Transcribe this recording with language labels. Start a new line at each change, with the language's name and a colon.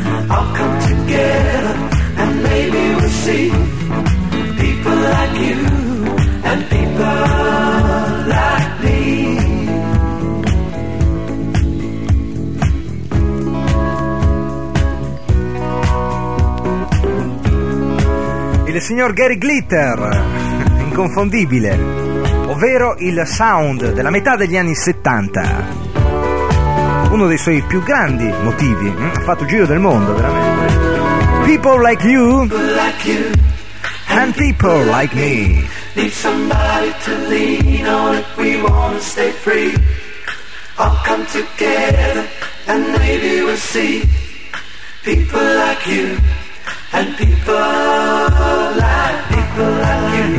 English: I'll come together and maybe we'll see people like you and people like me.
Italian: Il signor Gary Glitter, inconfondibile, ovvero il sound della metà degli anni 70. Uno dei suoi più grandi motivi, ha fatto il giro del mondo, veramente.
English: People like you, and people like me. Need somebody to lean on if we wanna stay free. I'll come together and maybe we'll see people like you and people like me.